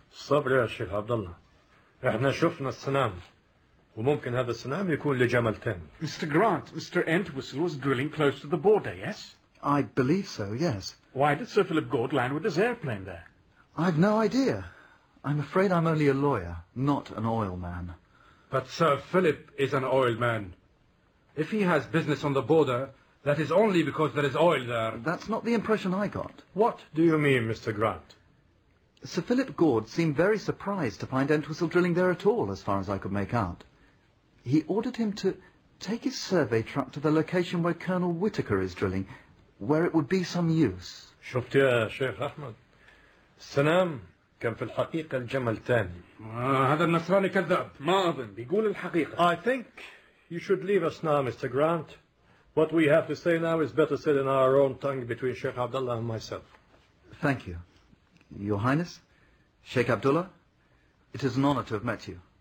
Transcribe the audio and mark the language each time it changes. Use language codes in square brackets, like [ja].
[ar] صبر يا شيخ عبد الله احنا شفنا السنام وممكن هذا السنام يكون لجمل تاني [en] Mr. Grant, Mr. Entwistle was drilling close to the border, yes? I believe so, yes. Why did Sir Philip Gord land with his airplane there? I've no idea. I'm afraid I'm only a lawyer, not an oil man. But Sir Philip is an oil man. If he has business on the border, that is only because there is oil there. That's not the impression I got. What do you mean, Mr. Grant? Sir Philip Gord seemed very surprised to find Entwistle drilling there at all, as far as I could make out. He ordered him to take his survey truck to the location where Colonel Whittaker is drilling, where it would be some use. [ar] شفت يا شيخ أحمد. السلام كان في الحقيقة الجمل تاني. هذا النصراني كذاب. ما أظن. بيقول الحقيقة. [en] I think you should leave us now, Mr. Grant. What we have to say now is better said in our own tongue between Sheikh Abdullah and myself. Thank you. Your Highness, Sheikh Abdullah, it is an honor to have met you.